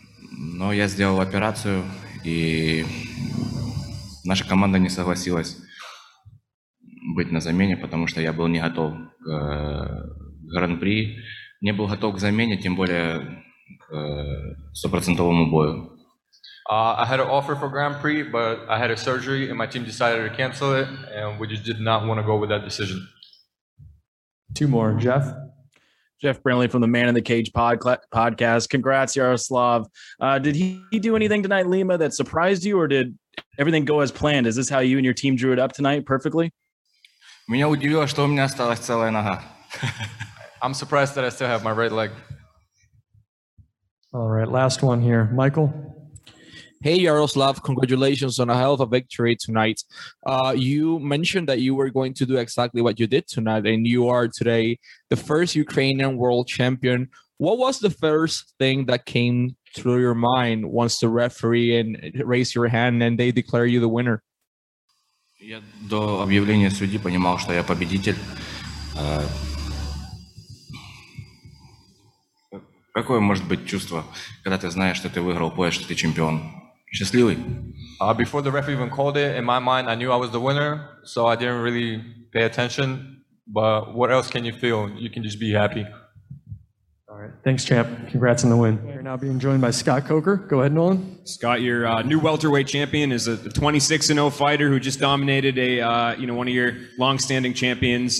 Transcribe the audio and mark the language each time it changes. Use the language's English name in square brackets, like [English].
[Russian] Но я сделал операцию, и наша команда не согласилась быть на замене, потому что я был не готов к гран-при. Не был готов к замене, тем более к 100-процентовому бою. [English] I had an offer for Grand Prix, but I had a surgery, and my team decided to cancel it, and we just did not want to go with that decision. Two more. Jeff? Jeff Brantley from the Man in the Cage podcast. Congrats, Yaroslav. Did he do anything tonight, Lima, that surprised you, or did everything go as planned? Is this how you and your team drew it up tonight perfectly? [Russian] Меня удивило, что у меня осталась целая нога. [English] I'm surprised that I still have my right leg. All right, last one here. Michael? Hey, Yaroslav, congratulations on a hell of a victory tonight. You mentioned that you were going to do exactly what you did tonight, and you are today the first Ukrainian world champion. What was the first thing that came through your mind once the referee and raised your hand and they declare you the winner? [Russian] Я до объявления судьи понимал, что я победитель. Какое может быть чувство, когда ты знаешь, что ты выиграл пояс, что ты чемпион? Счастливый. [English] Before the referee even called it, in my mind, I knew I was the winner, so I didn't really pay attention. But what else can you feel? You can just be happy. All right. Thanks, champ. Congrats on the win. You're now being joined by Scott Coker. Go ahead, Nolan. Scott, your new welterweight champion is a 26-0 fighter who just dominated one of your long-standing champions.